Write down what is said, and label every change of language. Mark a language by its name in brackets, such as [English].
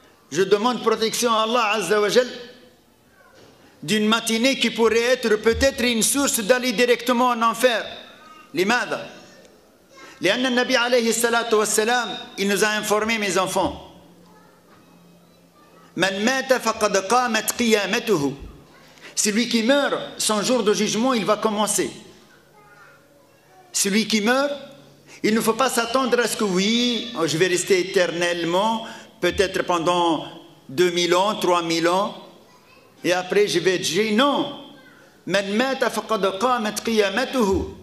[French] Je demande protection à Allah azza wa jal d'une matinée qui pourrait être peut-être une source d'aller directement en enfer. [Arabic] Limadha? لأن النبي عليه الصلاة والسلام [French] il nous a informé, mes enfants, [Arabic] من مات فقد قامت قيامته. [French] Celui qui meurt, son jour de jugement il va commencer. Celui qui meurt, il ne faut pas s'attendre à ce que oui, je vais rester éternellement, peut-être pendant 2000 ans, 3000 ans, et après je vais être jugé. [Arabic] Non. من مات فقد قامت قيامته.